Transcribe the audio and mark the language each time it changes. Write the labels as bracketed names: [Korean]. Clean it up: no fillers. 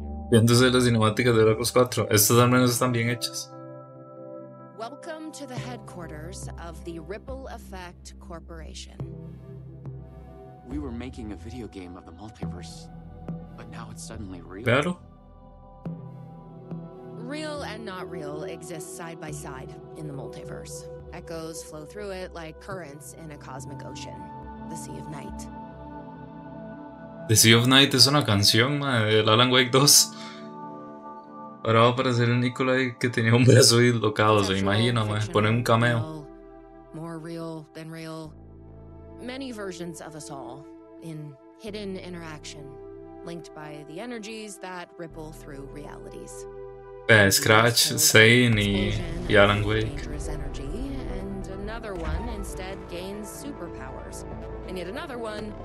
[Spanish] Viéndose las cinemáticas de Dragon's 4, estas al menos están bien hechas. [English] Welcome to the headquarters of the Ripple Effect Corporation. We were making a video game of the multiverse, but now it's suddenly real. [Spanish] Claro. [English] Real and not real exist side by side in the multiverse. Echoes flow through it like currents in a cosmic ocean, the Sea of Night. [Spanish] The Sea of Night es una canción, madre, de Alan Wake 2. Ahora va a aparecer el Nikolai que tenía un brazo dislocado, se imagina, madre. Pone un cameo. [English] More real than real. Many versions of us all in hidden interaction, linked by the energies that ripple through realities. [Spanish] Scratch, Zane y Alan Wake. [English] Another one instead gains superpowers, and yet another one.